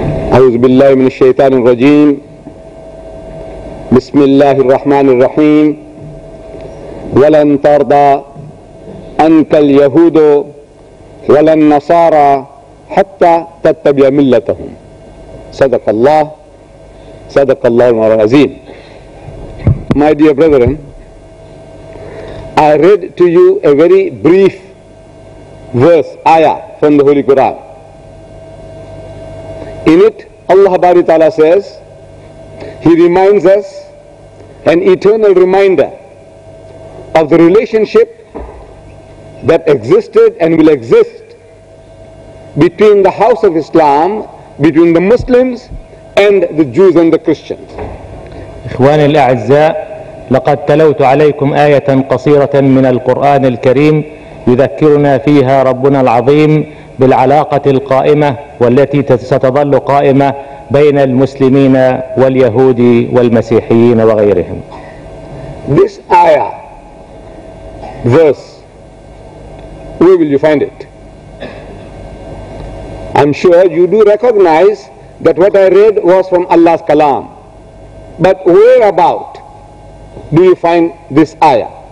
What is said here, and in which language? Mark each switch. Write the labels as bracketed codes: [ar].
[ar] أعوذ بالله من الشيطان الرجيم. بسم الله الرحمن الرحيم. ولن ترضى عنك اليهود ولا النصارى حتى تتبع ملتهم. صدق الله، صدق الله العظيم. [en] My dear brethren, I read to you a very brief verse, ayah from the Holy Quran. In it, Allah Bari Ta'ala says, He reminds us, an eternal reminder of the relationship that existed and will exist between the house of Islam, between the Muslims and the Jews and the Christians. [ar] إخواني الأعزاء، لقد تلوت عليكم آية قصيرة من القرآن الكريم يذكرنا فيها ربنا العظيم بالعلاقة القائمة والتي ستظل قائمة بين المسلمين واليهود والمسيحيين وغيرهم. [en] This ayah, verse, where will you find it? I'm sure you do recognize that what I read was from Allah's Kalam. But whereabout do you find this ayah?